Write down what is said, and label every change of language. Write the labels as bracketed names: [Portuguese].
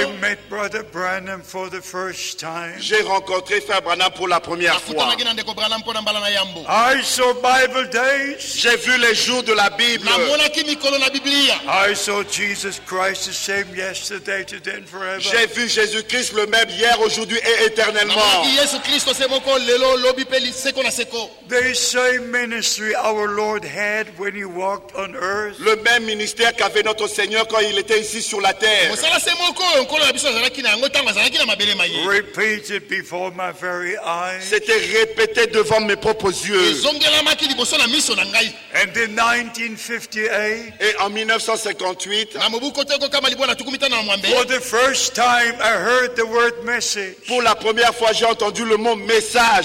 [English] I met Brother Branham for the first time. [French] J'ai rencontré Frère Branham pour la première fois. [English] I saw Bible days. [French] J'ai vu les jours de la Bible. [English] I saw Jesus Christ the same yesterday, today, and forever. [French] J'ai vu Jésus-Christ le même hier, aujourd'hui et éternellement. [English] The same ministry our Lord had when he walked on earth. [French] Le même ministère qu'avait notre Seigneur quand il était ici sur la terre. [English] Repeated before my very eyes. [French] C'était répété devant mes propres yeux. [English] And in 1958. [French] Et en 1958. [English] For the first time I heard the word message. [French] Pour la première fois, j'ai entendu le mot message.